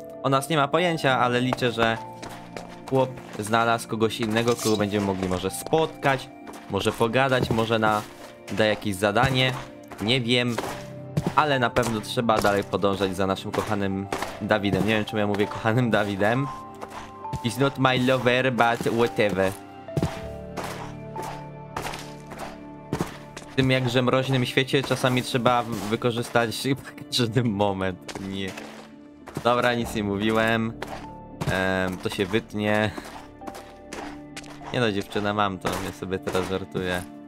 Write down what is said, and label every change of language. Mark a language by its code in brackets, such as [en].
[pl] O nas nie ma pojęcia, ale liczę, że chłop znalazł kogoś innego, kogo będziemy mogli może spotkać, może pogadać, może da jakieś zadanie, nie wiem. Ale na pewno trzeba dalej podążać za naszym kochanym Dawidem. Nie wiem, czemu ja mówię kochanym Dawidem. [en] He's not my lover, but whatever. [pl] W tym jakże mroźnym świecie czasami trzeba wykorzystać każdy moment. Nie. Dobra, nic nie mówiłem. To się wytnie. Dziewczyna, mam to. Ja sobie teraz żartuję.